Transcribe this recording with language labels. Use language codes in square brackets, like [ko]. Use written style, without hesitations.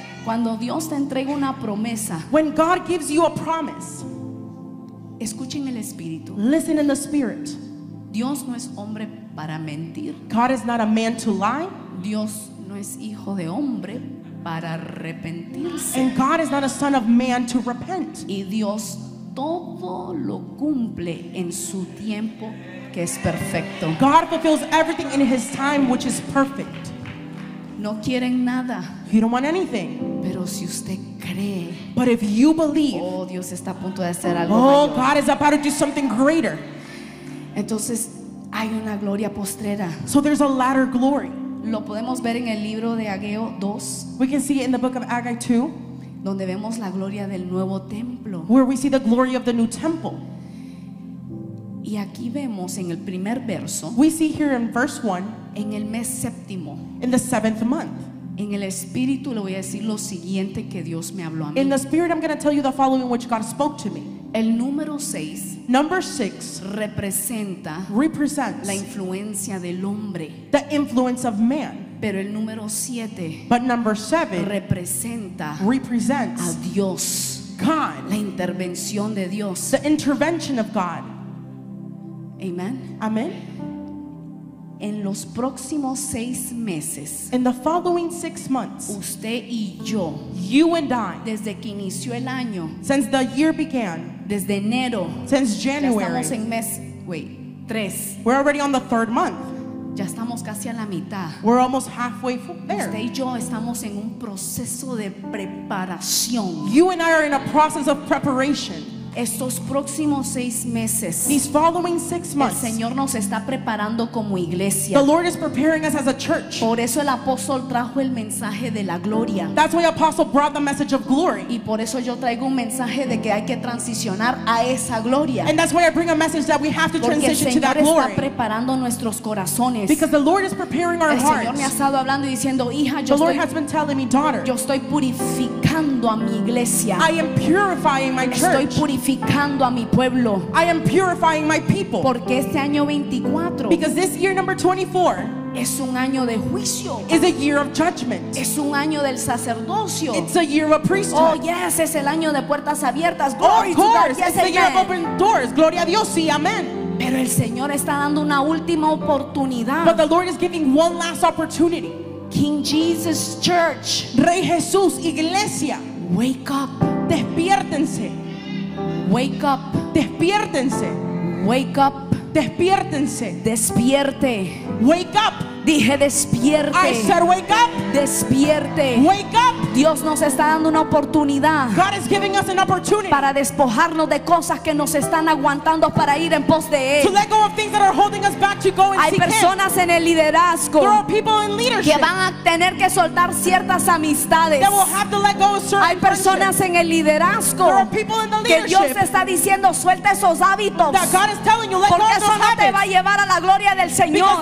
[es] Cuando Dios te entrega una promesa. [en] When God gives you a promise. [es] Escuchen el espíritu. [en] Listen in the spirit. [es] Dios no es hombre para mentir. [en] God is not a man to lie. [es] Dios no es hijo de hombre para arrepentirse. [en] And God is not a son of man to repent. [es] Y Dios todo lo cumple en su tiempo que es perfecto. [en] God fulfills everything in his time which is perfect. [es] No quieren nada. [en] You don't want anything. [es] Pero si usted cree. [en] But if you believe. [es] Oh, Dios está a punto de hacer algo oh, mayor. [en] God is about to do something greater. [es] Entonces, hay una gloria postrera. [en] So there's a latter glory. [es] Lo podemos ver en el libro de Ageo 2. [en] We can see it in the book of Haggai 2. [es] Donde vemos la gloria del nuevo templo. [en] Where we see the glory of the new temple. [es] Y aquí vemos en el primer verso. [en] We see here in verse 1. [es] En el mes séptimo. [en] In the seventh month. [es] En el espíritu le voy a decir lo siguiente que Dios me habló a mí. [en] In the spirit I'm going to tell you the following which God spoke to me. [es] El número 6. [en] Number 6 [es] representa [en] represents [es] la influencia del hombre. [en] The influence of man. [es] Pero el número 7. [en] But number 7 [es] representa [en] represents [es] a Dios. [en] God. [es] La intervención de Dios. [en] The intervention of God. [es] Amen. [en] Amen. [es] En los próximos 6 meses. [en] In the following 6 months. [es] Usted y yo. [en] You and I. [es] Desde que inició el año. [en] Since the year began. [es] Desde enero. [en] Since January. [es] Ya estamos en mes, [en] wait, [es] 3. [en] We're already on the third month. [es] Ya estamos casi a la mitad. [en] We're almost halfway there. [es] Usted y yo estamos en un proceso de preparación. [en] You and I are in a process of preparation. [es] Estos próximos seis meses, [en] these following 6 months, [es] el Señor nos está preparando como iglesia. [en] The Lord is preparing us as a church. [es] Por eso el apóstol trajo el mensaje de la gloria. [en] That's why the apostle brought the message of glory. [es] Y por eso yo traigo un mensaje de que hay que transicionar a esa gloria. [en] And that's why I bring a message that we have to [es] porque [en] transition to that glory. [es] Porque el Señor está preparando nuestros corazones. [en] Because the Lord is preparing our hearts. [es] El Señor me ha estado hablando y diciendo, hija, yo [en] estoy. The Lord has been telling me, daughter. [es] Yo estoy purificando a mi iglesia. [en] I am purifying my church. [es] Estoy purificando a mi pueblo. [en] I am purifying my people. [es] Porque este año 24. [en] Because this year number 24. [es] Es un año de juicio. [en] It's a year of judgment. [es] Es un año del sacerdocio. [en] It's a year of a priesthood. Oh yes, [es] es el año de puertas abiertas. [en] Glory of course, to God. Yes, it's amen. The year of open doors. [es] Gloria a Dios. Sí, amén. Pero el Señor está dando una última oportunidad. [en] But the Lord is giving one last opportunity. King Jesus Church. [es] Rey Jesús, iglesia. [en] Wake up. [es] Despiértense. [en] Wake up. [es] Despiértense. [en] Wake up. [es] Despiértense. Despierte. [en] Wake up. [es] Dije despierte. [en] I said wake up. [es] Despierte. [en] Wake up. [es] Dios nos está dando una oportunidad. [en] God is giving us an opportunity. [es] Para despojarnos de cosas que nos están aguantando para ir en pos de él. [en] To let go of things that are holding us back to go and seek. [es] Hay personas en el liderazgo. [en] There are people in leadership. [es] Que van a tener que soltar ciertas amistades. [en] That will have to let go of certain friendships. [es] Hay personas en el liderazgo. [en] There are people in the leadership. [es] Que Dios está diciendo suelta esos hábitos. [en] That God is telling you let go of those habits. [es] Porque eso no te va a llevar a la gloria del Señor.